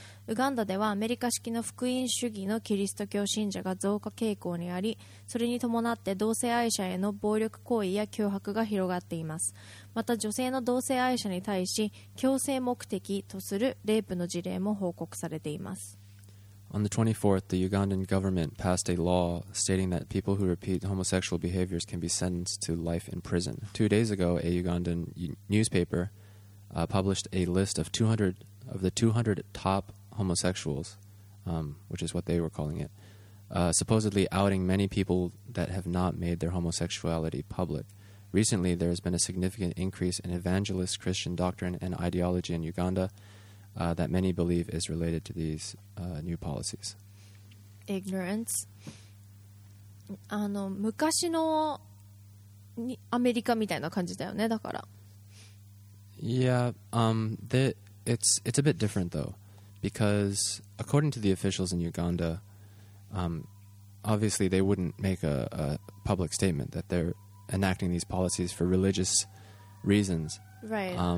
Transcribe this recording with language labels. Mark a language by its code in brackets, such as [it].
[ja] ウガンダではアメリカ式の福音主義のキリスト教信者が増加傾向にあり、それに伴って同性愛者への暴力行為や脅迫が広がっています。また女性の同性愛者に対し強制目的とするレイプの事例も報告されています。 [en] On the 24th, the Ugandan government passed a law stating that people who repeat homosexual behaviors can be sentenced to life in prison. 2 days ago, a Ugandan newspaper published a list of 200 of the 200 top homosexuals, which is what they were calling it, supposedly outing many people that have not made their homosexuality public. Recently, there has been a significant increase in evangelist Christian doctrine and ideology in Uganda, that many believe is related to these new policies. Ignorance. [ja] 昔のアメリカみたいな感じだよね、だから。 [en] Yeah, it's a bit different though, because according to the officials in Uganda, obviously they wouldn't make a public statement that they're enacting these policies for religious reasons. Right.